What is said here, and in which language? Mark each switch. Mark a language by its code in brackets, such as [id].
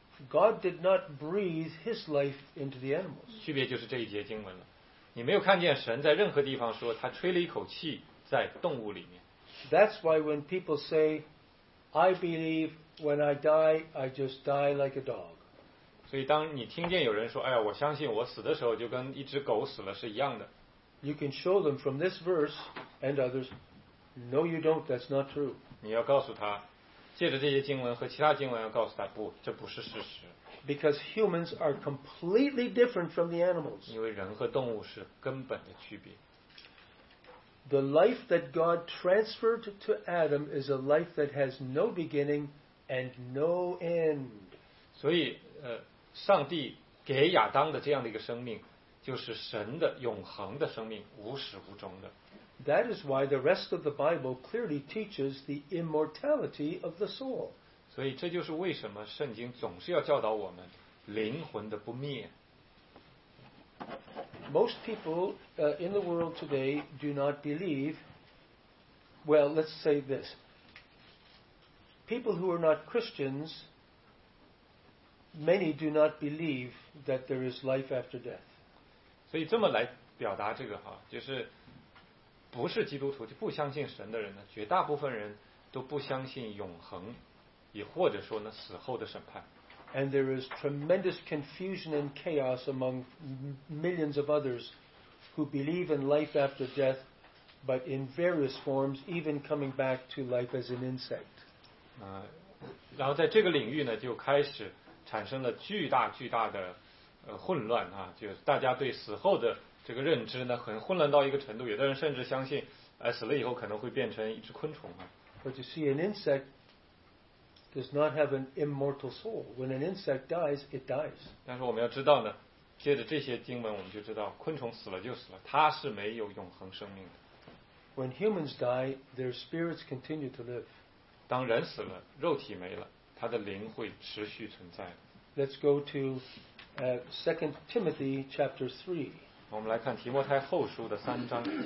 [en] God did not breathe his life into the animals. [zh] 区别就是这一节经文了。你没有看见神在任何地方说他吹了一口气在动物里面。 [en] That's why when people say,I believe when I die, I just die like a dog. [zh] 所以当你听见有人说，哎呀，我相信我死的时候就跟一只狗死了是一样的。 [en] You can show them from this verse and others, no, you don't. That's not true. [zh] 你要告诉他，借着这些经文和其他经文要告诉他，不，这不是事实。 [en] Because humans are completely different from the animals. [zh] 因为人和动物是根本的区别。 [en] The life that God transferred to Adam is a life that has no beginning and no end. [zh] 所以，上帝给亚当的这样的一个生命，就是神的永恒的生命，无始无终的。 [en] That is why the rest of the Bible clearly teaches the immortality of the soul. [zh] 所以，这就是为什么圣经总是要教导我们灵魂的不灭。 [en] Most people in the world today do not believe. Well, let's say this. People who are not Christians, many do not believe that there is life after death. [zh] 所以这么来表达这个哈，就是不是基督徒就不相信神的人呢，绝大部分人都不相信永恒，也或者说呢死后的审判。 [en] And there is tremendous confusion and chaos among millions of others who believe in life after death, but in various forms, even coming back to life as an insect. [zh] 然后在这个领域呢，就开始产生了巨大巨大的混乱啊，就大家对死后的这个认知呢，很混乱到一个程度，有的人甚至相信，死了以后可能会变成一只昆虫啊。 [en] But you see, an insect does not have an immortal soul. When an insect dies, it dies. [zh] 但是我们要知道呢，借着这些经文，我们就知道，昆虫死了就死了，它是没有永恒生命的。 [en] When humans die, their spirits continue to live. [zh] 当人死了，肉体没了，他的灵会持续存在。 [en] Let's go to Second Timothy chapter 3. [zh] 我们来看提摩太后书的三章。